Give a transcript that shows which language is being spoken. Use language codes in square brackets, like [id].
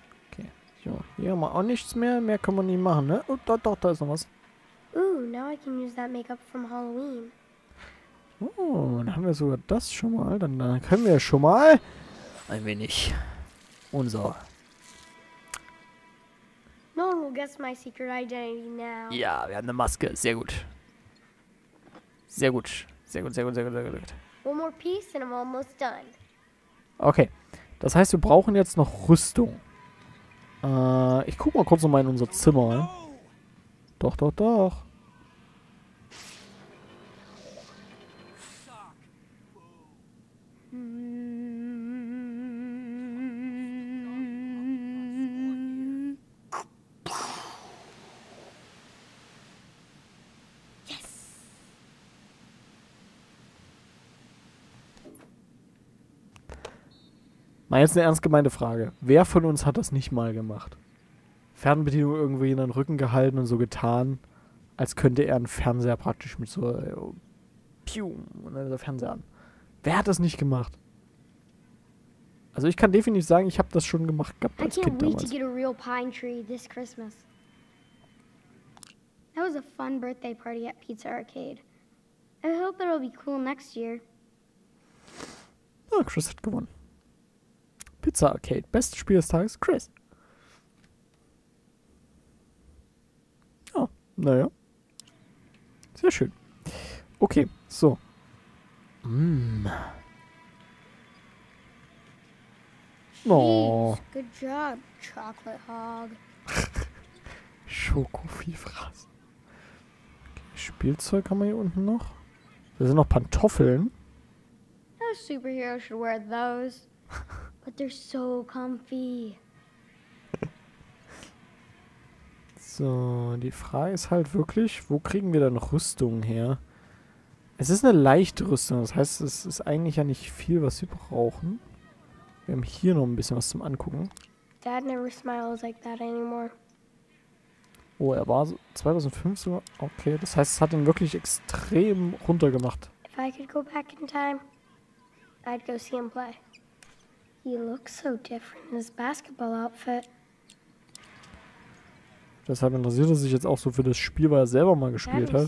[de] Okay, so, hier haben wir auch nichts mehr. Mehr kann man nicht machen, ne? Oh, doch, da ist noch was. [en] Ooh, now I can use that makeup from Halloween. [de] Oh, dann haben wir sogar das schon mal. Dann können wir schon mal ein wenig unser... [en] No one will guess my secret identity now. [de] Ja, wir haben eine Maske. Sehr gut. Sehr gut. Sehr gut, sehr gut, sehr gut, sehr gut. [en] One more piece and I'm almost done. Okay. [de] Das heißt, wir brauchen jetzt noch Rüstung. Ich guck mal kurz nochmal in unser Zimmer. Oh, no. Doch, doch, doch. Mal jetzt eine ernst gemeinte Frage. Wer von uns hat das nicht mal gemacht? Fernbedienung irgendwie in den Rücken gehalten und so getan, als könnte er einen Fernseher praktisch mit so Pium und dann ist der Fernseher an. Wer hat das nicht gemacht? Also ich kann definitiv sagen, ich habe das schon gemacht gehabt als Kind damals. [en] I can't wait to get a real pine tree this Christmas. That was a fun birthday party at Pizza Arcade. I hope it'll be cool next year. [de] Oh, Chris hat gewonnen. Pizza Arcade. Bestes Spiel des Tages, Chris. Ah, naja. Sehr schön. Okay, so. [en] Mmm. Oh. Good job, Chocolate Hog. [de] Schokofifras. Okay, Spielzeug haben wir hier unten noch. Da sind noch Pantoffeln. [en] No superhero should wear those. But they're so comfy. [de] So, die Frage ist halt wirklich, wo kriegen wir denn Rüstung her? Es ist eine leichte Rüstung, das heißt, es ist eigentlich ja nicht viel, was wir brauchen. Wir haben hier noch ein bisschen was zum Angucken. [en] Dad never smiles like that anymore. [de] Oh, er war so 2005 sogar. Okay, das heißt, es hat ihn wirklich extrem runtergemacht. [en] If I could go back in time, I'd go see him play. He looks so different in his basketball outfit. [de] Deshalb interessiert er sich jetzt auch so für das Spiel, weil er selber mal gespielt hat.